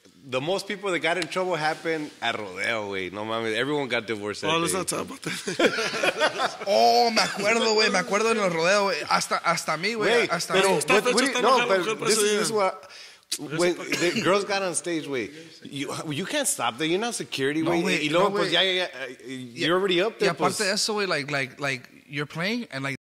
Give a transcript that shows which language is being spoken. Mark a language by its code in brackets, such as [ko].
[en] The most people that got in trouble happened at Rodeo, güey. No mames, everyone got divorced. Oh, let's not talk about that. [es] Oh, me acuerdo, güey. Me acuerdo en el Rodeo, güey. Hasta mí, güey. Hasta pero, mí. [en] But this is what. When the girls got on stage, wait, you can't stop there. You're not security, no, wait. You know, no, pues, you're already up there. Yeah, aparte de eso, wait, like you're playing and like.